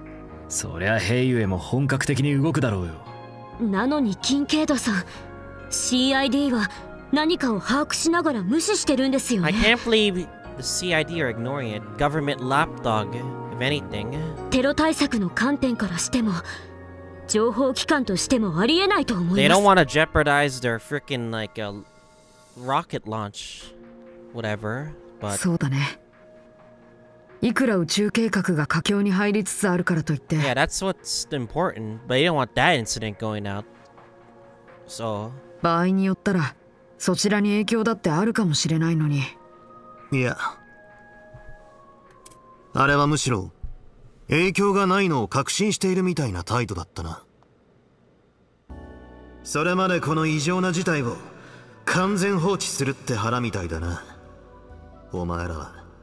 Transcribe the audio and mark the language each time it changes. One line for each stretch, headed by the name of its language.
Japanese: そいつみたいな凝った装飾のフレームじゃなかった気もするが。それでも、そのデバイスの力で、不可思議な転移を行ったわけですか。あの、見えざる謎の鬼と共に。おいおい、どう考えてもやべえことになってるのは間違いねえだろうが。東方系の失踪者も多かったらしいが、そりゃ兵衛も本格的に動くだろうよ。なのに、キンケイドさん、CIDは何かを把握しながら無視してるんですよね。
English: I can't believe the CID are ignoring it. Government lapdog, if anything.
Japanese: テロ対策の観点からしても、情報機関としてもありえないと思います。
English: They don't want to jeopardize their freaking, like, a rocket launch, whatever, but...
Japanese: そうだね。いくら宇宙計画が佳境に入りつつあるからといって。
English: Yeah, that's what's important, but you don't want that incident going out. So.
Japanese: 場合によったら、そちらに影響だってあるかもしれないのに。いや、あれはむしろ影響がないのを確信しているみたいな態度だったな。それまでこの異常な事態を完全放置するって腹みたいだな、お前らは。